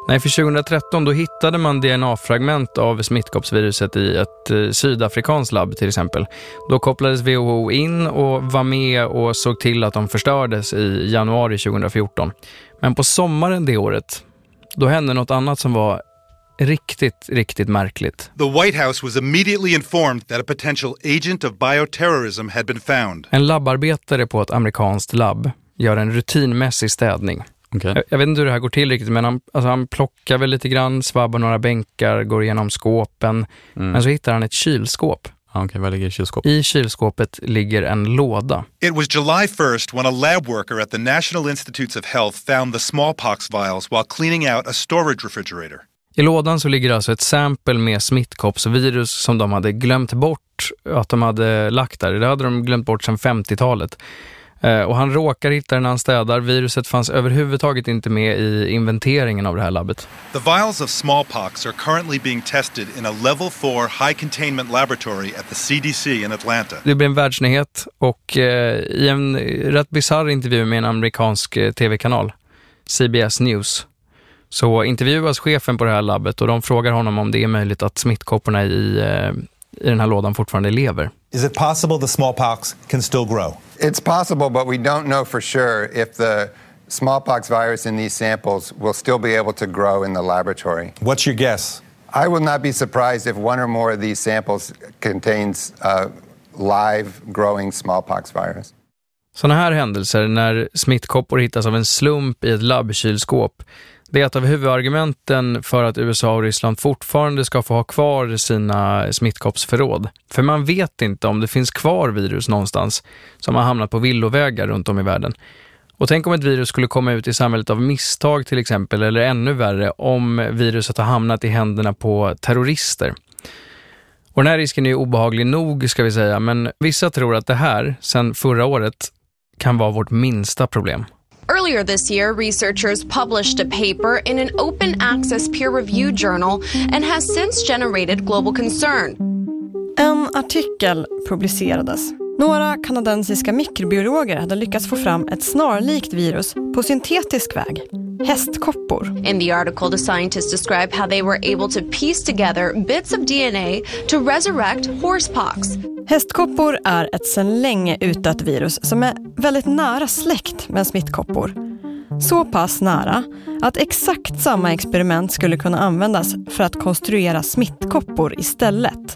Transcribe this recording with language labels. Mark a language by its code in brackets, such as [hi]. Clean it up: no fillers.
[sv] Nej, för 2013 då hittade man DNA-fragment av smittkoppsviruset i ett sydafrikanskt labb till exempel. Då kopplades WHO in och var med och såg till att de förstördes i januari 2014. Men på sommaren det året, då hände något annat som var riktigt, riktigt märkligt. [en] The White House was immediately informed that a potential agent of bioterrorism had been found. [sv] En labbarbetare på ett amerikanskt labb gör en rutinmässig städning. Okay. Jag vet inte hur det här går till riktigt, men han plockar väl lite grann, svabbar några bänkar, går igenom skåpen. Mm. Men så hittar han ett kylskåp. Ah. Okay, vad ligger i kylskåpet? I kylskåpet ligger en låda. [en] It was July 1st when a lab worker at the National Institutes of Health found the smallpox vials while cleaning out a storage refrigerator. [sv] I lådan så ligger alltså ett exempel med smittkoppsvirus som de hade glömt bort att de hade lagt där. Det hade de glömt bort sedan 50-talet. Och han råkar hitta den när han städar. Viruset fanns överhuvudtaget inte med i inventeringen av det här labbet. [en] The vials of smallpox are currently being tested in a level 4 high containment laboratory at the CDC in Atlanta. [sv] Det blev en världsnyhet och i en rätt bizarr intervju med en amerikansk tv-kanal, CBS News, så intervjuas chefen på det här labbet och de frågar honom om det är möjligt att smittkopporna i den här lådan fortfarande lever. [en] Is it possible the smallpox can still grow? It's possible, but we don't know for sure if the smallpox virus in these samples will still be able to grow in the laboratory. What's your guess? I will not be surprised if one or more of these samples contains a live growing smallpox virus. [sv] Såna här händelser när smittkoppor hittas av en slump i ett labbkylskåp, det är ett av huvudargumenten för att USA och Ryssland fortfarande ska få ha kvar sina smittkoppsförråd. För man vet inte om det finns kvar virus någonstans som har hamnat på villovägar runt om i världen. Och tänk om ett virus skulle komma ut i samhället av misstag till exempel, eller ännu värre om viruset har hamnat i händerna på terrorister. Och den här risken är obehaglig nog ska vi säga, men vissa tror att det här, sedan förra året, kan vara vårt minsta problem. [en] Earlier this year, researchers published a paper in an open access peer review journal and has since generated global concern. [sv] En artikel publicerades. Några kanadensiska mikrobiologer hade lyckats få fram ett snarlikt virus på syntetisk väg. Hästkoppor. [en] In the article, the scientists describe how they were able to piece together bits of DNA to resurrect horsepox. [sv] Hästkoppor är ett sedan länge utdött virus som är väldigt nära släkt med smittkoppor. Så pass nära att exakt samma experiment skulle kunna användas för att konstruera smittkoppor istället.